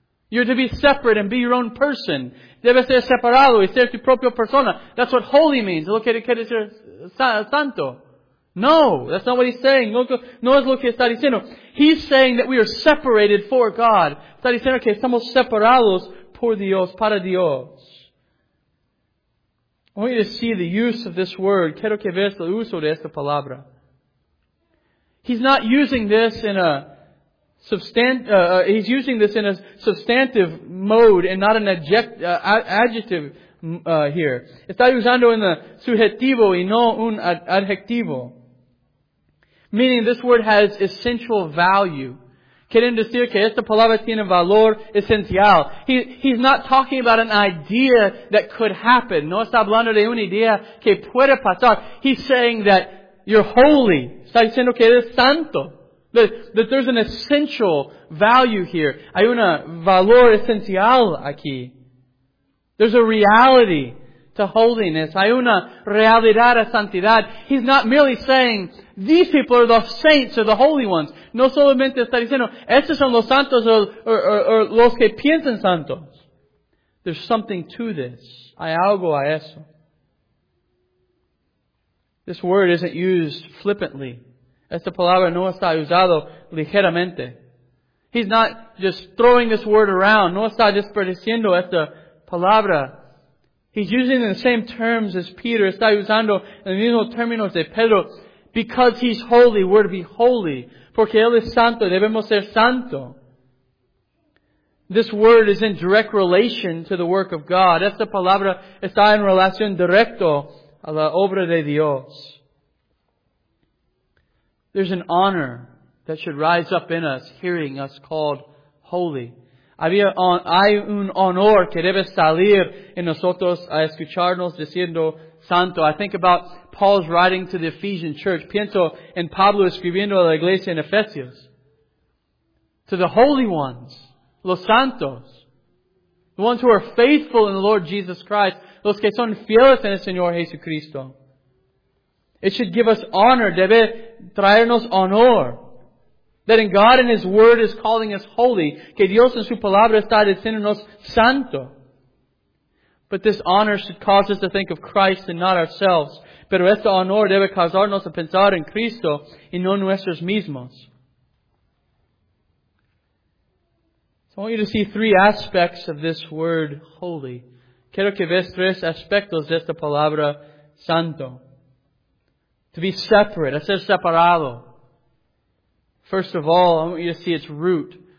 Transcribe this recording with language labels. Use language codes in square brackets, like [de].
[en] You're to be separate and be your own person. [es] Debes ser separado y ser tu propia persona. [en] That's what holy means. [es] Lo que quiere decir santo. [en] No, that's not what he's saying. [es] No es lo que está diciendo. [en] He's saying that we are separated for God. [es] Está diciendo que estamos separados por Dios, para Dios. [en] I want you to see the use of this word. [es] Quiero que veas el uso de esta palabra. [en] He's not using this in a he's using this in a substantive mode and not an adjective here. [es] Está usando en el sujetivo y no un adjetivo. [en] Meaning this word has essential value. [es] Quieren decir que esta palabra tiene valor esencial. [en] He's not talking about an idea that could happen. [es] No está hablando de una idea que puede pasar. [en] He's saying that you're holy. [es] Está diciendo que eres santo. [en] That there's an essential value here. [es] Hay un valor esencial aquí. [en] There's a reality to holiness. [es] Hay una realidad a santidad. [en] He's not merely saying, these people are the saints or the holy ones. [es] No solamente está diciendo, estos son los santos o los que piensan santos. [en] There's something to this. [es] Hay algo a eso. [en] This word isn't used flippantly. [es] Esta palabra no está usado ligeramente. [en] He's not just throwing this word around. [es] No está desperdiciando esta palabra. [en] He's using the same terms as Peter. [es] Está usando el mismo término de Pedro. [en] Because he's holy, we're to be holy. [es] Porque él es santo, debemos ser santo. [en] This word is in direct relation to the work of God. [es] Esta palabra está en relación directo a la obra de Dios. [en] There's an honor that should rise up in us, hearing us called holy. [es] Hay un honor que debe salir en nosotros a escucharnos diciendo santo. [en] I think about Paul's writing to the Ephesian church. [es] Pienso en Pablo escribiendo a la iglesia en Efesios. [en] To the holy ones, [es] los santos. [en] The ones who are faithful in the Lord Jesus Christ. [es] Los que son fieles en el Señor Jesucristo. [en] It should give us honor. [es] Debe traernos honor. [en] That in God and His Word is calling us holy. [es] Que Dios en su palabra está diciéndonos santo. [en] But this honor should cause us to think of Christ and not ourselves. [es] Pero este honor debe causarnos a pensar en Cristo y no nuestros mismos. [en] So I want you to see three aspects of this word holy. [es] Quiero que veas tres aspectos de esta palabra santo. [en] To be separate, [es] a ser separado. [en] First of all, I want you to see its root.